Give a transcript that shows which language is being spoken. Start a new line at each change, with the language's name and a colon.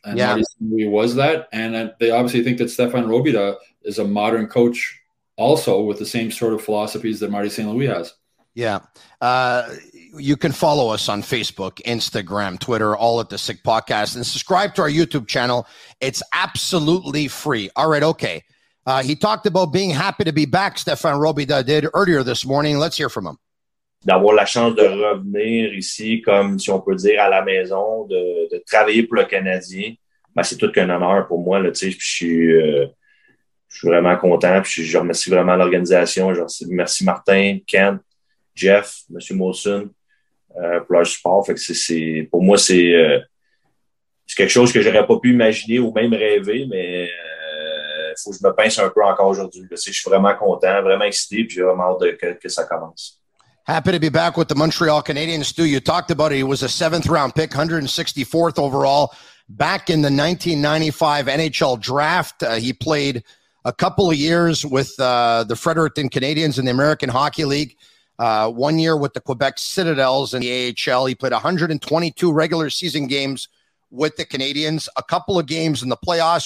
English: And he was that. And they obviously think that Stefan Robida is a modern coach also, with the same sort of philosophies that Marty St. Louis has. Yeah. You can follow us on Facebook, Instagram, Twitter, all at the Sick Podcast, and subscribe to our YouTube channel. It's absolutely free. All right. Okay. He talked about being happy to be back. Stefan Robida did earlier this morning. Let's hear from him.
French: D'avoir la chance de revenir ici, comme si on peut dire à la maison, de travailler pour le Canadien. Ben, c'est tout qu'un honneur pour moi, là, t'sais, puis je suis vraiment content. Puis je remercie vraiment l'organisation. Merci Martin, Kent, Jeff, M. Molson, pour leur support. Fait que c'est, pour moi, c'est quelque chose que j'aurais pas pu imaginer ou même rêver, mais faut que je me pince un peu encore aujourd'hui. Je suis vraiment content, vraiment excité, puis j'ai vraiment hâte que ça commence.
English: Happy to be back with the Montreal Canadiens, Stu. You talked about it. He was a seventh round pick, 164th overall, back in the 1995 NHL draft. He played a couple of years with the Fredericton Canadiens in the American Hockey League. 1 year with the Quebec Citadels in the AHL. He played 122 regular season games with the Canadiens, a couple of games in the playoffs.